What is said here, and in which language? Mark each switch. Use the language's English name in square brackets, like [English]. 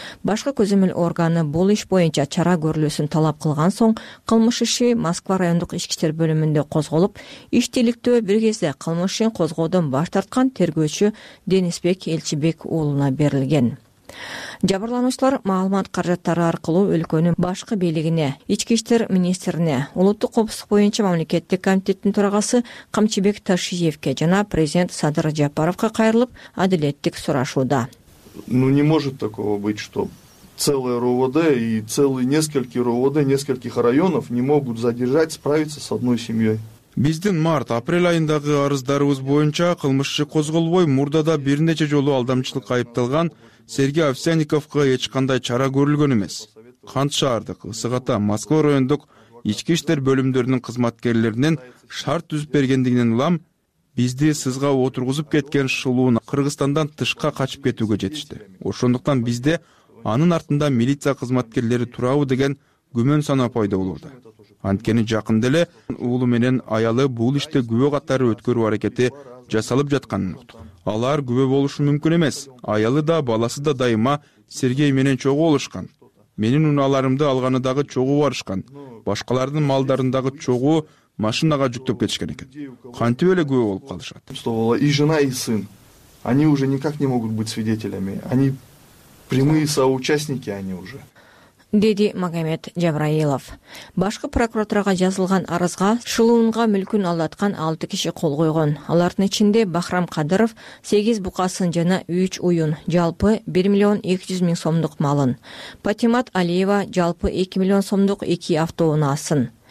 [Kyrgyz] Башкы көзөмөл органы бул иш боюнча чара көрүлүүсүн талап кылган соң, кылмыш иши Москва райондук ички иштер бөлүмүндө козголуп, ишти иликтөө бир кезде кылмыш ишин козгоодон баш тарткан тергөөчү Денисбек Элчибек уулуна берилген. Жабырлануучулар маалымат каражаттары аркылуу өлкөнүн башкы бийлигине, ички иштер министрине, улуттук коопсуздук боюнча мамлекеттик комитеттин төрагасы Камчыбек Ташиевке жана президент Садыр Жапаровко кайрылып адилеттик сурашууда. [Russian] Ну не может такого быть, что целое РОВД и целые несколько РОВД нескольких районов не могут задержать, справиться с одной семьей. [Kyrgyz] Биздин март, апрель айындагы арыздарыбыз боюнча кылмыш иши козголбой, мурда да бир нече жолу алдамчылыкка айыпталган Сергей Овсянниковго эч кандай чара көрүлгөн эмес. Кант шаардык, ысык ата, Москва райондук ички иштер бөлүмдөрүнүн кызматкерлеринен шарт түзүп бергендигинен улам бизди сызга отургузуп кеткен шылуун Кыргызстандан тышка качып кетүүгө жетишти. Ошондуктан бизде анын артында милиция кызматкерлери турабы деген күмөн санаа пайда болууда. Анткени жакында эле уулу менен аялы бул иште күбө катары өткөрүү аракети жасалып жатканын укту. Алар күбө болушу мүмкүн эмес. Аялы да, баласы да дайыма Сергей менен чогуу болушкан. Менин унааларымды алганы дагы чогуу барышкан. Башкалардын малдарындагы чогуу машинага жүктөп кетишкен экен. Кантип эле күбө болуп калышат? [Russian] И жена, и сын. Они уже никак не могут быть свидетелями. Они прямые соучастники, они уже. [Kyrgyz] Деди Магомед Жабраилов. Башкы прокуратурага жазылган арызга шылуунга мүлкүн алдаткан 6 киши кол койгон. Алардын ичинде Бахрам Кадыров, 8 букасын жана 3 уюн, жалпы 1 200 000 сомдук малын. Патимат Алиева, жалпы 2 миллион сомдук 2 автоунаасын.